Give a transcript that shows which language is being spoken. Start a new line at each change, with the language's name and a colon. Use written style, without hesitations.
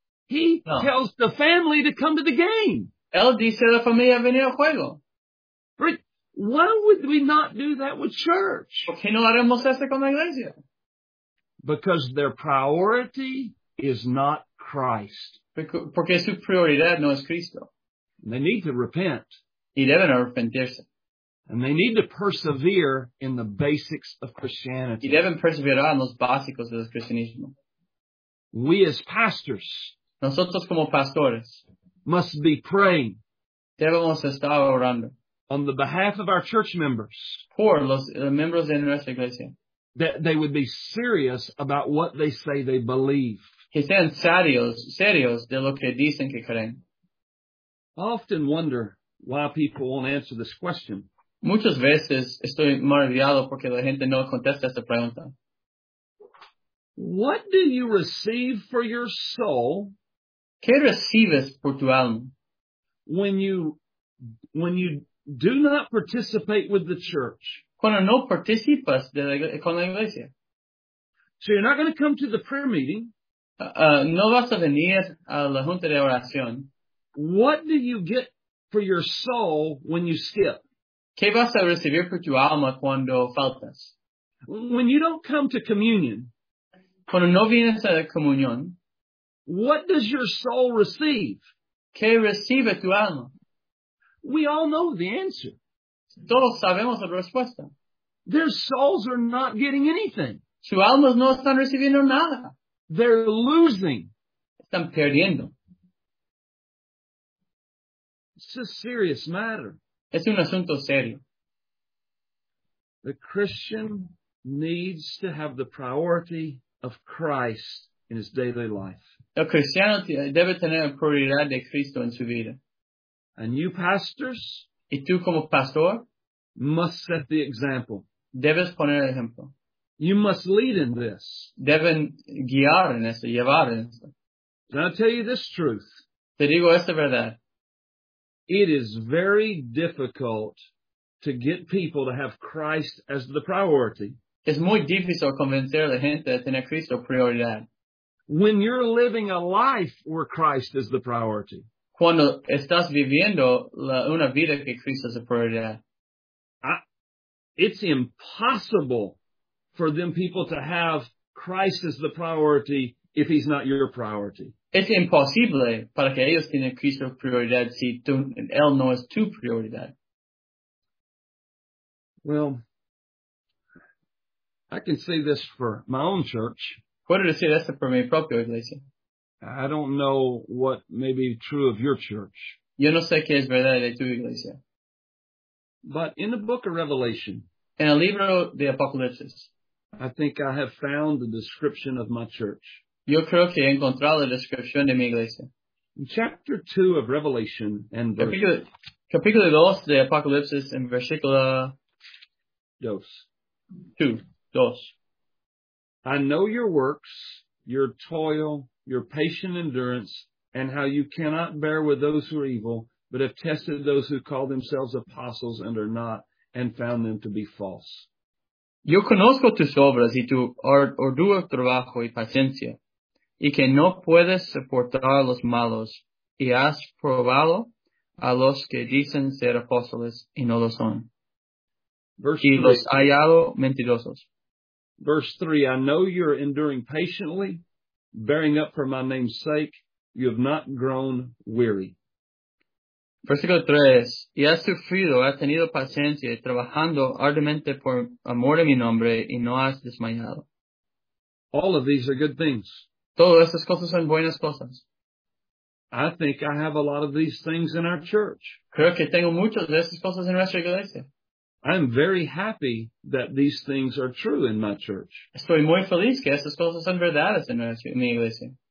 English: He tells the family to come to the game.
Spanish: Él dice a la familia venir al juego.
English: Right. Why would we not do that with church?
Spanish: ¿Por qué no haremos eso con la iglesia?
English: Because their priority is not Christ.
Spanish: Porque su prioridad no es Cristo.
English: And they need to repent.
Spanish: Y deben arrepentirse.
English: And they need to persevere in the basics of Christianity.
Spanish: Y deben perseverar en los básicos del cristianismo.
English: We as pastors.
Spanish: Nosotros como pastores.
English: Must be praying.
Spanish: Debemos estar orando.
English: On the behalf of our church members.
Spanish: Por los miembros de nuestra iglesia.
English: That they would be serious about what they say they believe.
Spanish: Que sean serios de lo que dicen que creen.
English: I often wonder why people won't answer this question.
Spanish: Muchas veces estoy maravillado porque la gente no contesta esta pregunta.
English: What do you receive for your soul?
Spanish: ¿Qué recibes por tu alma?
English: When you do not participate with the church.
Spanish: Cuando no participas con la iglesia.
English: So you're not going to come to the prayer meeting.
Spanish: No vas a venir a la junta de oración.
English: What do you get for your soul when you skip?
Spanish: ¿Qué vas a recibir por tu alma cuando faltas?
English: When you don't come to communion.
Spanish: Cuando no vienes a la comunión.
English: What does your soul receive?
Spanish: ¿Qué recibe tu alma?
English: We all know the answer.
Spanish: Todos sabemos la respuesta.
English: Their souls are not getting anything.
Spanish: Sus almas no están recibiendo nada.
English: They're losing.
Spanish: Están perdiendo.
English: It's a serious matter.
Spanish: Es un asunto serio.
English: The Christian needs to have the priority of Christ in his daily life.
Spanish: El cristiano debe tener la prioridad de Cristo en su vida.
English: And you pastors,
Spanish: y tú como pastor,
English: must set the example.
Spanish: Debes poner el ejemplo.
English: You must lead in this.
Spanish: Deben guiar en esto, llevar en esto.
English: Can I tell you this truth?
Spanish: Te digo esta verdad.
English: It is very difficult to get people to have Christ as the priority.
Spanish: Es muy difícil convencer a la gente de tener Cristo prioridad.
English: When you're living a life where Christ is the priority.
Spanish: Cuando estás viviendo una vida que Cristo es la prioridad.
English: It's impossible for them people to have Christ as the priority if he's not your priority.
Spanish: Es imposible para que ellos tengan Cristo prioridad si tú, él no es tu prioridad.
English: Well, I can say this for my own church.
Spanish: Puedo decir esto por mi propia iglesia.
English: I don't know what may be true of your church.
Spanish: Yo no sé qué es verdad de tu iglesia.
English: But in the book of Revelation.
Spanish: En el libro de Apocalipsis.
English: I think I have found the description of my church.
Spanish: Yo creo que he encontrado la descripción de mi iglesia.
English: In chapter 2 of Revelation and verse.
Spanish: Capítulo 2 de Apocalipsis en versículo. Dos.
English: Two.
Spanish: Dos.
English: I know your works, your toil, your patient endurance, and how you cannot bear with those who are evil, but have tested those who call themselves apostles and are not, and found them to be false.
Spanish: Yo conozco tus obras y tu arduo trabajo y paciencia, y que no puedes soportar a los malos, y has probado a los que dicen ser apóstoles y no lo son.
English: Verse
Spanish: y los hallado mentirosos.
English: Verse 3, I know you're enduring patiently, bearing up for my name's sake, you have not grown weary.
Spanish: Versículo 3, y has sufrido, has tenido paciencia, trabajando arduamente por amor de mi nombre, y no has desmayado.
English: All of these are good things.
Spanish: Todas estas cosas son buenas cosas.
English: I think I have a lot of these things in our church.
Spanish: Creo que tengo muchas de estas cosas en nuestra iglesia.
English: I'm very happy that these things are true in my church.
Spanish: Estoy muy feliz que estas cosas son verdades en mi iglesia.